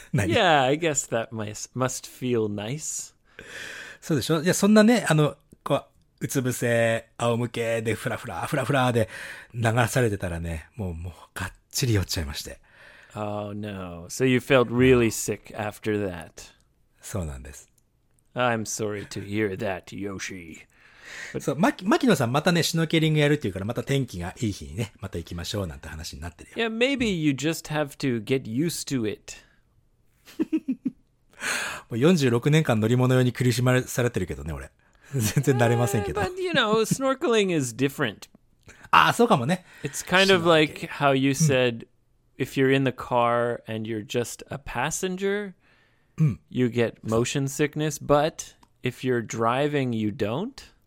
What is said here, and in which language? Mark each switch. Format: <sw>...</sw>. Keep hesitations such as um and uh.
<en>yeah, I guess that must feel nice.</en> <ja>そうでしょいや、そんなね、あの、こう、うつ伏せ、仰向けで、ふらふら、ふらふらで流されてたらね、もう、もう、がっちり酔っちゃいまして。</ja> <en>Oh no. So you felt really sick after that.</en> <ja>そうなんです。</ja> <en>I'm sorry to hear that, Yoshi.</en> <ja>そう、牧野さん、またね、シュノーケリングやるっていうから、また天気がいい日にね、また行きましょうなんて話になってるよ。</ja> <en>いや、maybe you just have to get used to it.</en> <ja>もう46年間乗り物用に苦しまれされてるけどね、俺。全然慣れませんけど。</ja> <en>Uh, but, you know, snorkeling is different.</en> <ja>ああ、そうかもね。</ja> <en>It's kind of like how you said, if you're in the car and you're just a passenger, you get motion sickness, but if you're driving, you don't.</en>